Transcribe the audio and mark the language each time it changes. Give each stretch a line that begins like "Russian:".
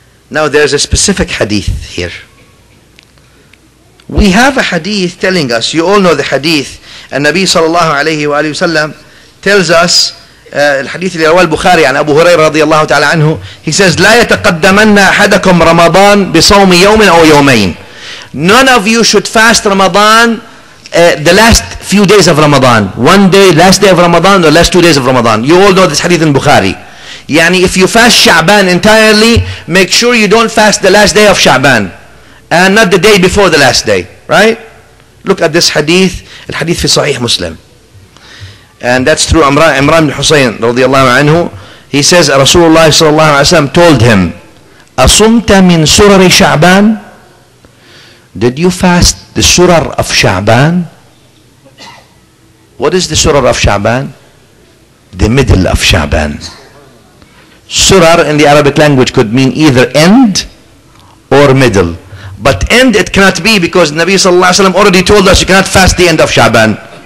English: Now there's a specific hadith here. We have a hadith telling us, you all know the hadith, and Nabi sallallahu alayhi wa alayhi wa sallam tells us
Arabic: الحديث اللي رواه البخاري عن أبو هريرة رضي الله تعالى عنه. He says لا يتقدمن أحدكم رمضان بصوم يوم أو يومين.
English: None of you should fast Ramadan the last few days of Ramadan. One day, last day of Ramadan, or last two days of Ramadan. You all know this hadith in Bukhari. يعني if you fast Sha'ban entirely, make sure you don't fast the last day of Sha'ban and not the day before the last day. Right? Look at this hadith.
Arabic: الحديث في صحيح مسلم.
English: And that's through Imran bin Husayn
Arabic: رضي الله عنه.
English: He says
Arabic: رسول الله صلى الله عليه وسلم
English: told him
Arabic: أصمت من سرر شعبان.
English: Did you fast the سرر of شعبان? What is the سرر of شعبان? The middle of شعبان. سرر in the Arabic language could mean either end or middle, but end it cannot be because
Arabic: النبي صلى الله عليه وسلم
English: already told us you cannot fast the end of شعبان.